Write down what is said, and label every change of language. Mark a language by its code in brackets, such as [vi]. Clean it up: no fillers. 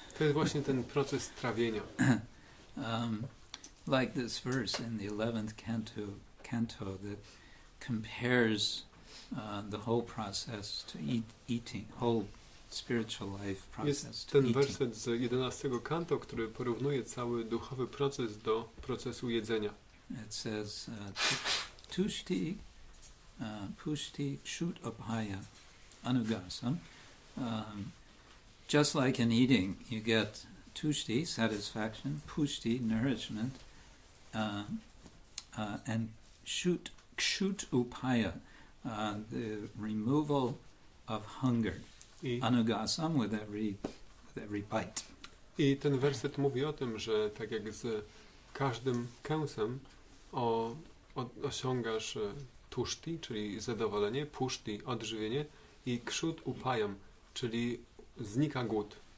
[pl] To jest właśnie ten proces trawienia. [en] Like this verse in the 11th canto that compares the whole process to eating, whole spiritual life process [pl] jest to ten [en] eating. [pl] Werset z 11 canto, który porównuje cały duchowy proces do procesu jedzenia. [en] It says, [sa] tushti pushti kshut abhaya anugasam. [en] Just like in eating, you get tushti, satisfaction, pushti, nourishment, and kshut upaya, the removal of hunger, anugasam, with every bite. [pl] I ten werset mówi o tym, że tak jak z każdym kęsem osiągasz tushti, czyli zadowolenie, pushti, odżywienie, i kshut upayam, czyli znika głód.